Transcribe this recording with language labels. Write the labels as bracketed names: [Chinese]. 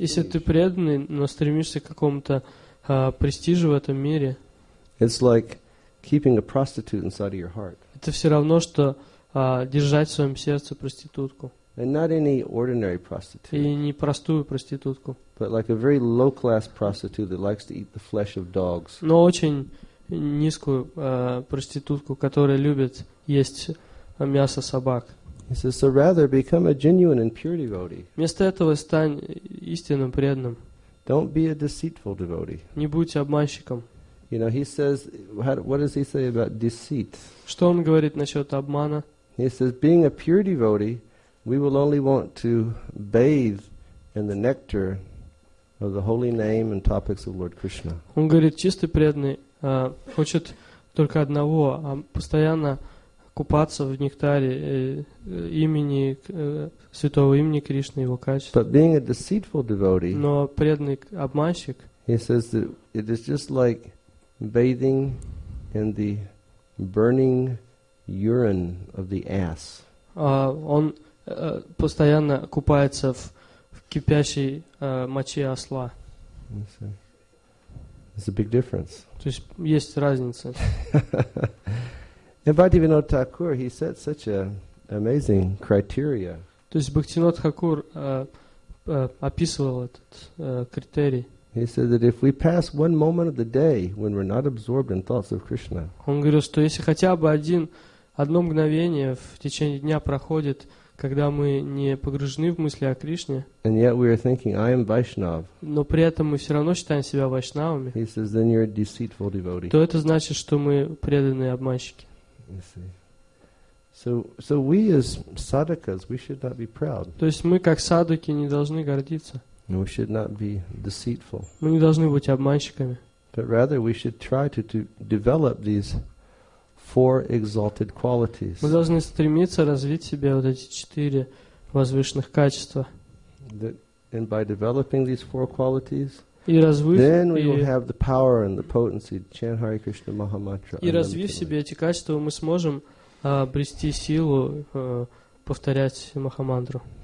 [Russian] Если ты преданный, но стремишься к какому-то престижу в этом мире. [English] It's like keeping a prostitute inside of your heart. [Russian] Это все равно, что держать в своем сердце проститутку. [English] And not any ordinary prostitute. [Russian] И не простую проститутку. [English] But like a very low-class prostitute that likes to eat the flesh of dogs. [Russian] Но очень низкую проститутку, которая любит есть мясо собак. [English] He says, so rather become a genuine and pure devotee. [Russian] Вместо этого стань истинным преданным. [English] Don't be a deceitful devotee. [Russian] Не будь обманщиком. [English] You know, he says, what does he say about deceit? [Russian] Что он говорит насчет обмана? [English] He says, being a pure devotee, we will only want to bathe in the nectar of the holy name and topics of Lord Krishna. [Russian] Он говорит, чистый преданный хочет только одного, а постоянно купаться в нектаре имени святого имени Кришны, его качества. [English] But being a deceitful devotee, [Russian] но преданный обманщик, [English] he says that it is just like bathing in the burning urine of the ass. [Russian] Он постоянно купается в кипящей моче осла. [English] It's a big difference. [Russian] То есть есть разница. [English] And Bhaktivinoda Thakur, he set such an amazing criteria. [Russian] То есть Бхактивинод Хакур описывал этот критерий. [English] He said that if we pass one moment of the day when we're not absorbed in thoughts of Krishna. [Russian] Он говорил, что если хотя бы одно мгновение в течение дня проходит, когда мы не погружены в мысли о Кришне. [English] And yet we are thinking, I am Vaishnav. [Russian] Но при этом мы все равно считаем себя вайшнавами. [English] He says, then you're a deceitful devotee. [Russian] То это значит, что мы преданные обманщики. [English] So we as sadhakas, we should not be proud. [Russian] То есть мы как садхаки не должны гордиться. [English] We should not be deceitful. [Russian] Мы не должны быть обманщиками. [English] But rather we should try to develop these four exalted qualities. [Russian] Мы должны стремиться развить в себе вот эти четыре возвышенных качества. [English] And by developing these four qualities, then we will have the power and the potency to chant Hare Krishna Maha Mantra. [Russian] И развив в себе эти качества, мы сможем обрести силу повторять Маха Мантру.